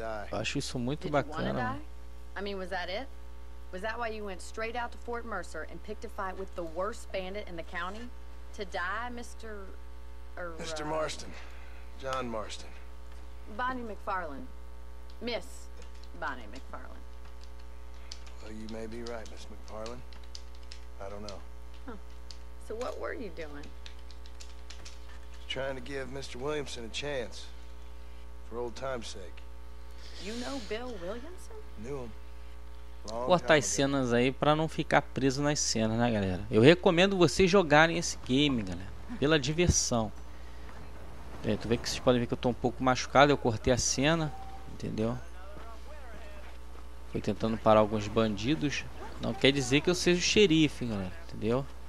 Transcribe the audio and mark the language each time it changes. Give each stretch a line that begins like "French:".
Portuguese: Eu acho isso muito bacana.
English: Was that why you went straight out to Fort Mercer and picked a fight with the worst bandit in the county to die, Mr. Marston. John Marston. Bonnie McFarlane. Miss Bonnie McFarlane. Well, you may be right, Miss McFarlane. I don't know. So what were you doing? Trying to give Mr. Williamson a chance. For old time's sake. You know Bill Williamson? Knew him.
Portuguese: Cortar as cenas aí pra não ficar preso nas cenas, né, galera? Eu recomendo vocês jogarem esse game, galera, pela diversão. É, tu vê que vocês podem ver que eu tô um pouco machucado, eu cortei a cena, entendeu? Fui tentando parar alguns bandidos. Não quer dizer que eu seja o xerife, galera, entendeu?